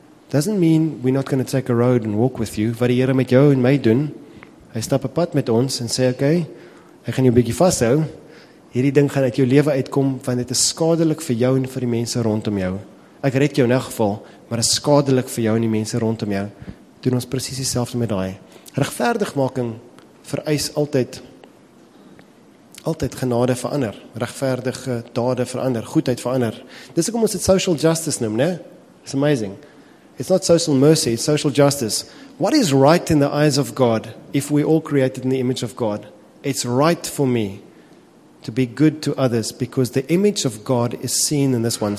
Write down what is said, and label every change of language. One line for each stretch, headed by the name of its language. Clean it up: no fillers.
English: Doesn't mean we're not going to take a road and walk with you,
Afrikaans: wat die Here met jou en my doen, hy stap een pad met ons en sê, okay, ek gaan jou bietjie vasthou, hierdie ding gaan uit jou lewe uitkom, want dit is skadelik vir jou en vir die mense rondom jou. Ek red jou in elk geval, maar is skadelik vir jou en die mense rondom jou. Doen ons precies dieselfde met daai. Regverdigmaking vereis altyd genade verander, regverdige dade verander, goedheid verander. Dis ook om ons het social justice noem, ne?
English: It's amazing. It's not social mercy, it's social justice. What is right in the eyes of God if we all created in the image of God? It's right for me to be good to others because the image of God is seen in this one.